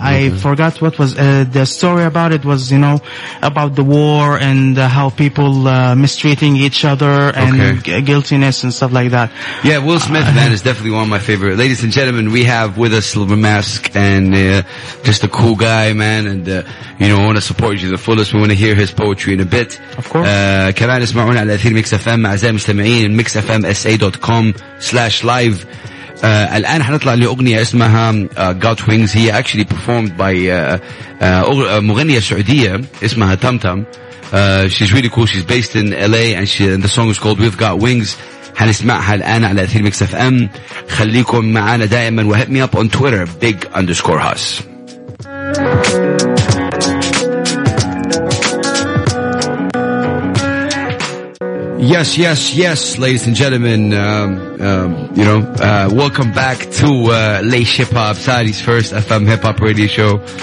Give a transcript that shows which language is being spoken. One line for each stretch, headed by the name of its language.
English: I forgot what was the story about it. Was, you know, about the war and how people mistreating each other and guiltiness and stuff like that. Yeah, Will Smith, man, is definitely one of my favorite. Ladies and gentlemen, we have with us Silver Mask, and just a cool guy, man. And, you know, I want to support you the fullest. We want to hear his poetry in a bit. Of course.
Arabic: كمان اسمعونا على أثير ميكس أف أم أعزائي المستمعين mixfmsa.com/live. الآن حنطلع لأغنية اسمها Got Wings. هي
English: actually performed by
Arabic: مغنية سعودية اسمها تم تم.
English: She's really cool. She's based in LA and the song is called We've Got Wings.
Arabic: حنسمعها الآن على أثير ميكس أف أم. خليكم معنا دائما و
English: hit me up on Twitter big_hus. Yes, yes, yes, ladies and gentlemen, welcome back to Laish HipHop, Saudi's first FM hip-hop radio show.